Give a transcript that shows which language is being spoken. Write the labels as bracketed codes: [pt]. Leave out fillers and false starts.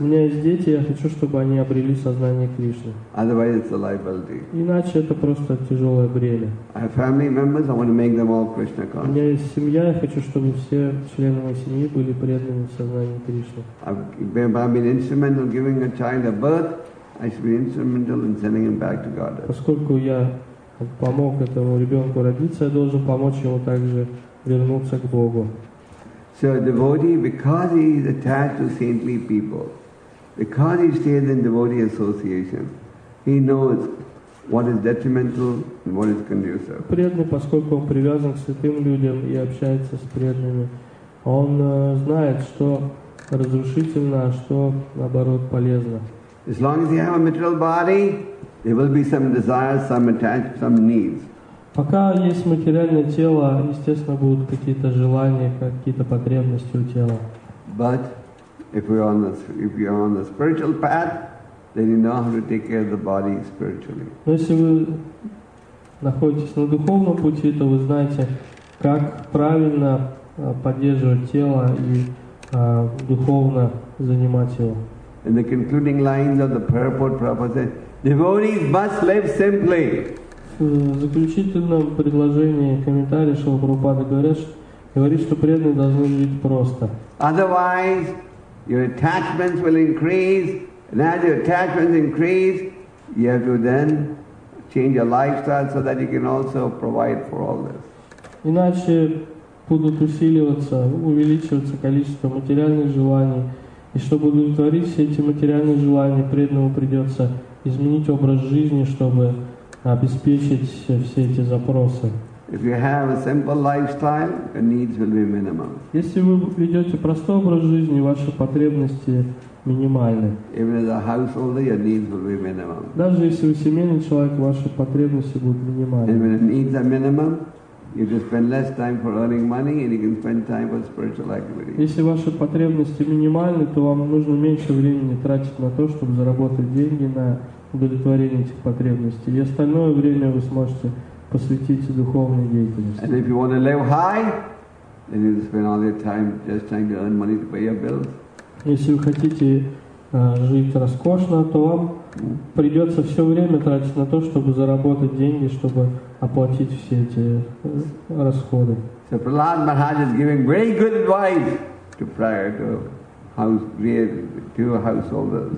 [ru] У меня есть дети, я хочу, чтобы они обрели сознание Кришны. [en] Otherwise it's a liability. [ru] Иначе это просто тяжелое бремя. [en] I have family members, I want to make them all Krishna conscious. [ru] У меня есть семья, я хочу, чтобы все члены моей семьи были преданы сознанию Кришны. [en] I've been instrumental in giving a child a birth, I should be instrumental in sending him back to Godhead. [ru] Поскольку я помог этому ребенку родиться, я должен помочь ему также вернуться к Богу. [en] So a devotee, because he is attached to saintly people, because he stays in devotee association, he knows what is detrimental and what is conducive. [ru] Преданный, поскольку он привязан к святым людям и общается с преданными, он знает, что разрушительно, а что, наоборот, полезно. [en] As long as you have a material body, there will be some desires, some attachments, some needs. [ru] Пока есть материальное тело, естественно, будут какие-то желания, какие-то потребности у тела. [en] But if you're on the spiritual path, then you know how to take care of the body spiritually. [ru] Но если вы находитесь на духовном пути, то вы знаете, как правильно поддерживать тело и духовно занимать его. [en] In the concluding lines of the purport, Prabhupada said, devotees must live simply. [ru] В заключительном предложении комментарии Шрила Прабхупады говорит, что преданные должны жить просто. [en] Otherwise, your attachments will increase, and as your attachments increase, you have to then change your lifestyle so that you can also provide for all this. [ru] Иначе будут усиливаться, увеличиваться количество материальных желаний, и чтобы удовлетворить все эти материальные желания, преданному придется изменить образ жизни, чтобы обеспечить все эти запросы. [en] If you have a simple lifestyle, your needs will be minimum. [ru] Если вы ведете простой образ жизни, ваши потребности минимальны. [en] Even as a householder, your needs will be minimum. [ru] Даже если вы семейный человек, ваши потребности будут минимальны. [en] Even if your needs are minimum, you just spend less time for earning money, and you can spend time for spiritual activity. [ru] Если ваши потребности минимальны, то вам нужно меньше времени тратить на то, чтобы заработать деньги на удовлетворение этих потребностей. И остальное время вы сможете посвятить духовной деятельности. [en] And if you want to live high, then you spend all your time just trying to earn money to pay your bills. [ru] Если вы хотите жить роскошно, то вам придется все время тратить на то, чтобы заработать деньги, чтобы оплатить все эти расходы. [en] So Prahlad Maharaj is giving very good advice to prior to householders.